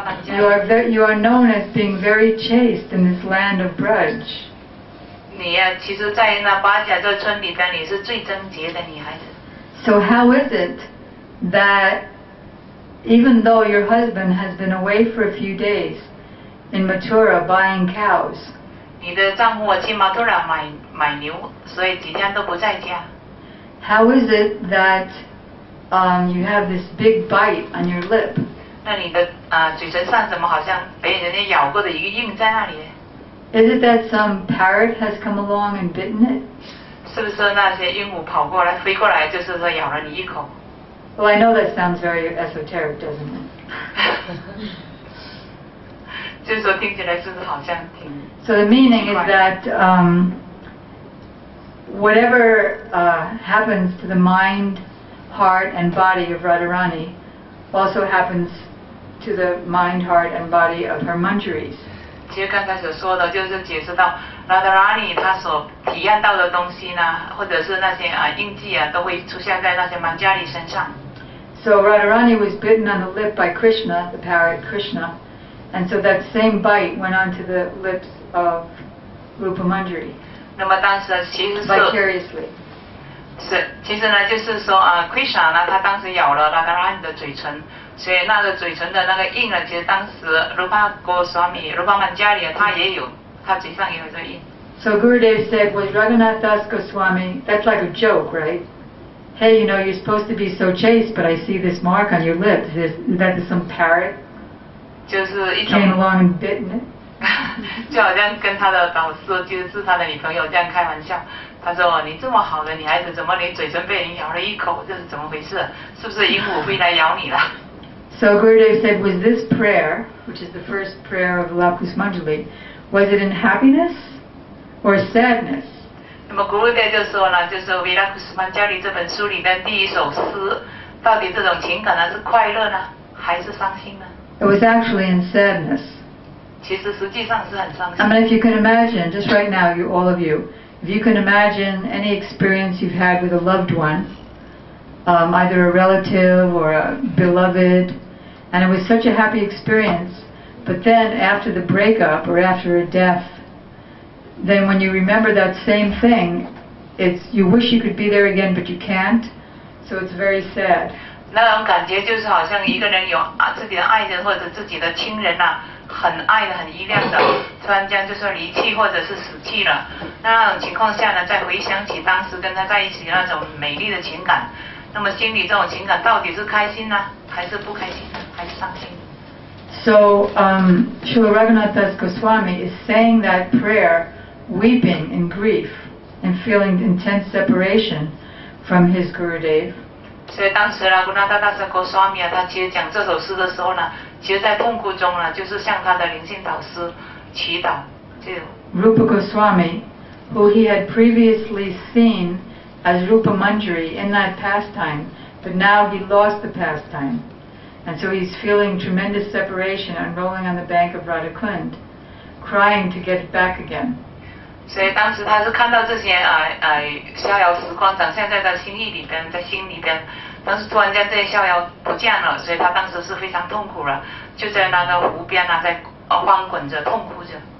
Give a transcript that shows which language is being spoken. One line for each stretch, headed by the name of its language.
English: you are known as being very chaste in this land of Braj.
Chinese: 你呀，其实，在那八甲这村里边，你是最贞洁的女孩子。
English: So how is it that even though your husband has been away for a few days in Mathura buying cows,
Chinese: 你的丈夫去 Mathura 买牛，所以几天都不在家。
English: How is it that you have this big bite on your lip?
Chinese: 那你的嘴唇上怎么好像被人家咬过的一个印在那里呢
English: ？Is it that some parrot has come along and bitten it？
Chinese: 是不是那些鹦鹉跑过来飞过来，就是说咬了你一口
English: ？Well, I know that sounds very esoteric, doesn't it？
Chinese: 就是说听起来是不是好像挺
English: ？So the meaning is that whatever happens to the mind, heart, and body of Radharani。 Also happens to the mind, heart, and body of her manjaris.
Chinese: 其实刚开始说的就是解释到 Radharani 她所体验到的东西呢，或者是那些印记啊，都会出现在那些 manjari 身上。
English: So Radharani was bitten on the lip by Krishna, the parrot Krishna, and so that same bite went onto the lips of Rupa Manjari.
Chinese: 那么当时其实是
English: vicariously.
Chinese: 其实呢，就是说Krishna 呢，他当时咬了 Radharani 的嘴唇，所以那个嘴唇的那个印呢，其实当时 Rupa Goswami Rupa Manjari 他也有，他嘴上也有这印。
English: So Gurudev said, "Was Raghunath Das Goswami? That's like a joke, right? Hey, you know, you're supposed to be so chaste, but I see this mark on your lip. Is that some parrot?
Chinese: 就是一种
English: came along and bitten it."
Chinese: 就好像跟他的导师，就是他的女朋友这样开玩笑，他说你这么好的女孩子，怎么你嘴唇被人咬了一口，这是怎么回事，是不是鹦鹉会来咬你了。
English: So Gurudeva said, was this prayer, which is the first prayer of Lakusmanjali, was it in happiness or sadness?
Chinese: 那么 Gurudeva 就说了，就是维拉库斯曼加里这本书里面第一首诗，到底这种情感呢是快乐呢还是伤心呢？
English: It was actually in sadness. I mean, if you can imagine, just right now, you, all of you, if you can imagine any experience you've had with a loved one, either a relative or a beloved, and it was such a happy experience, but then after the breakup or after a death, then when you remember that same thing, it's, you wish you could be there again, but you can't, so it's very sad.
Chinese: 那种感觉就是好像一个人有自己的爱人或者自己的亲人啊很爱的很依恋的突然间就说离弃或者是死去了，那种情况下呢再回想起当时跟他在一起那种美丽的情感，那么心里这种情感到底是开心呢还是不开心还是伤心。
English: So Srila Raghunath Das Goswami is saying that prayer weeping in grief and feeling intense separation from his Gurudev。
Chinese: 所以当时Raghunath Das Goswami 他其实讲这首诗的时候呢其实在痛苦中呢就是向他的灵性导师祈祷。
English: Rupa Goswami, who he had previously seen as Rupa Manjari in that pastime, but now he lost the pastime. And so he's feeling tremendous separation and rolling on the bank of Radhakund, crying to get it back again.
Chinese: 所以当时他是看到这些逍遥时光展现在他心意里边，在心里边。但是突然间这些逍遥不见了，所以他当时是非常痛苦了，就在那个湖边啊，在翻滚着痛哭着。